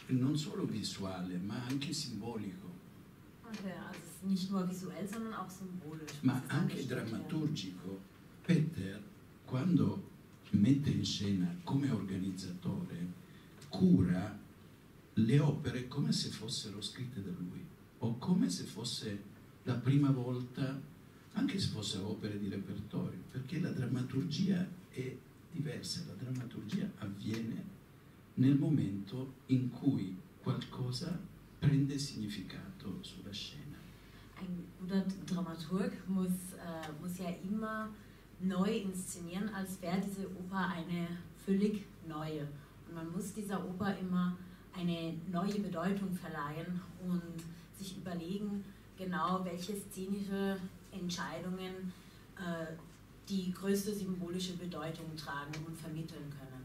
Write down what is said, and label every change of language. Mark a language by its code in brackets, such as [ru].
[it] Non solo visuale, ma anche simbolico. [de] Okay, also nicht nur visuell, sondern auch symbolisch, [it] Ma [de] was [it] anche drammaturgico. Peter, quando mette in scena come organizzatore, cura le opere come se fossero scritte da lui, o come se fosse la prima volta, anche se fosse opere di repertorio, perché la drammaturgia è diversa. La drammaturgia avviene nel momento in cui qualcosa prende significato sulla scena. [de] Ein guter Dramaturg muss ja immer neu inszenieren, als wäre diese Oper eine völlig neue. Und man muss dieser Oper immer eine neue Bedeutung verleihen und sich überlegen, genau welche szenische Entscheidungen die größte symbolische Bedeutung tragen und vermitteln können.